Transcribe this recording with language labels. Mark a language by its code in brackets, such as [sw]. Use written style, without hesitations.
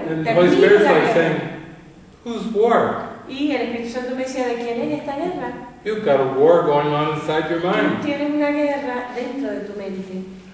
[en] And the Holy Spirit's like saying, whose war? [es] Y el Espíritu Santo me decía, ¿de quién es esta guerra? [en] You've got a war going on inside your mind. [es] Tú tienes una guerra dentro de tu mente.